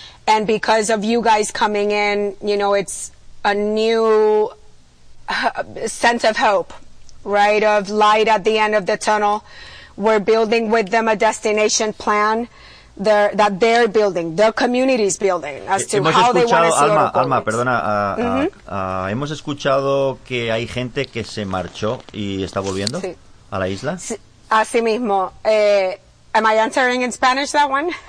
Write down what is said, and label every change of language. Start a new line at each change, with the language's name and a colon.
English: And because of you guys coming in, you know, it's a new sense of hope, right? Of light at the end of the tunnel. We're building with them a destination plan that they're building, the community's building, as to how they want to see
Spanish: Alma, Orocovis. Alma, perdona. Hemos escuchado que hay gente que se marchó y está volviendo a la isla. Así mismo.
English: Am I answering in Spanish that one?